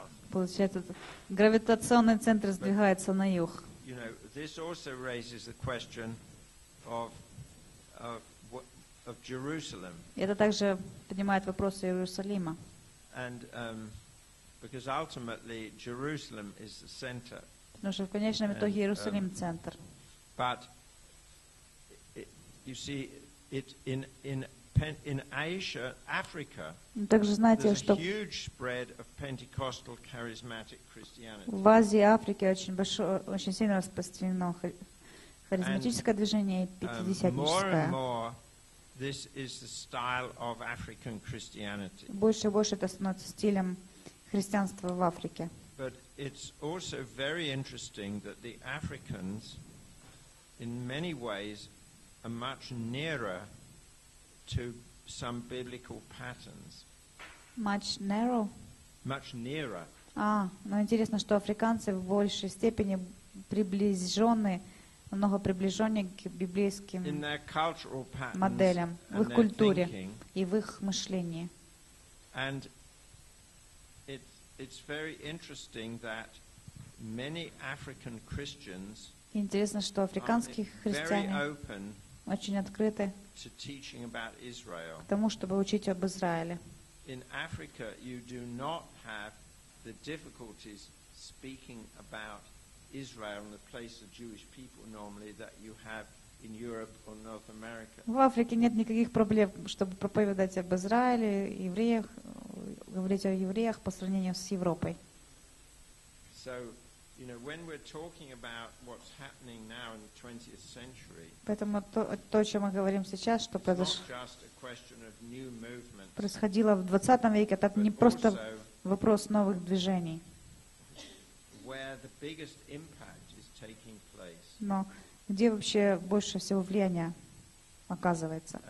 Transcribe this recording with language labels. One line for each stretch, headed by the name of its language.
Russian: Получается, гравитационный центр сдвигается на юг.
English: You know, this also raises the question of Jerusalem.
Russian: Это также поднимает вопросы Иерусалима.
English: And because ultimately Jerusalem is the center.
Russian: Потому что в конечном итоге Иерусалим центр.
English: But you see, it in Asia, Africa.
Russian: Также знаете, что
English: a huge spread of Pentecostal charismatic Christianity.
Russian: В Азии, Африке очень большое, очень сильно распространено харизматическое движение пятидесятническое.
English: This is the style of African Christianity.
Russian: Больше и больше это становится стилем христианства в Африке.
English: But it's also very interesting that the Africans, in many ways, are much nearer to some biblical patterns. Much narrow. Much nearer.
Russian: А, но интересно, что африканцы в большей степени приближены. Намного приближеннее к библейским моделям в их культуре и в их мышлении.
English: And it's very interesting that many African Christians
Russian: интересно, что африканские христиане очень открыты
English: to teaching about Israel.
Russian: К тому, чтобы учить об Израиле.
English: In Africa you do not have the difficulties speaking about Israel and the place of Jewish people normally that you have in Europe or North America.
Russian: В Африке нет никаких проблем, чтобы проповедовать об Израиле, евреях, говорить о евреях по сравнению с Европой.
English: So, you know, when we're talking about what's happening now in the 20th century.
Russian: Поэтому то, о чем мы говорим сейчас, что происходило в 20 веке, это не просто вопрос новых движений.
English: Where the biggest impact is taking place.
Russian: Но где вообще больше всего влияния оказывается?